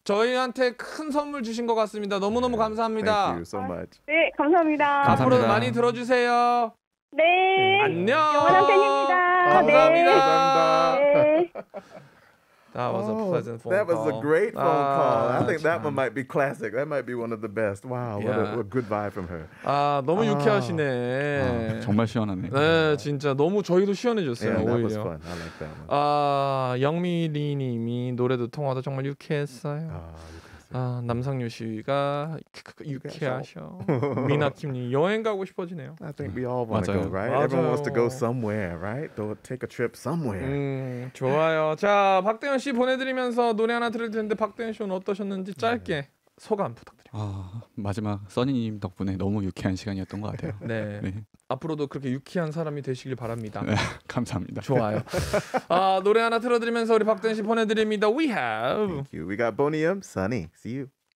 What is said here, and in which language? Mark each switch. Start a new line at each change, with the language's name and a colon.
Korean: 저희한테 큰 선물 주신 것 같습니다. 너무너무 yeah. 감사합니다.
English: Thank you so much.
Korean: 네 감사합니다. 앞으로 많이 들어주세요. 네. 안녕. 영원한 팬입니다. 감사합니다.
English: 네. That was a pleasant phone call. That was a great phone call. I think that one might be classic. That might be one of the best. Wow. What a good vibe from her.
Korean: 아, 너무 유쾌하시네. 정말 시원하네. 네, 진짜 너무 저희도 시원해졌어요. 오히려.
English: That was fun. I like that one.
Korean: 아, 영미리 님이 노래도 통화도 정말 유쾌했어요. 아, 남상유 씨가 유쾌하셔. 미나 킴님 여행 가고 싶어지네요.
English: I think we all want to go, right?
Korean: 맞아요.
English: Everyone wants to go somewhere, right? To take a trip somewhere.
Korean: 좋아요. 자, 박대현 씨 보내드리면서 노래 하나 들을 텐데 박대현 씨는 어떠셨는지 짧게. 소감 부탁드립니다. 아, 마지막 써니님 덕분에 너무 유쾌한 시간이었던 것 같아요. 네. 네. 앞으로도 그렇게 유쾌한 사람이 되시길 바랍니다. 감사합니다. 좋아요. 아, 노래 하나 틀어드리면서 우리 박대현 씨 보내드립니다.
English: We have. Thank you. We got Boney M, Sunny. See you.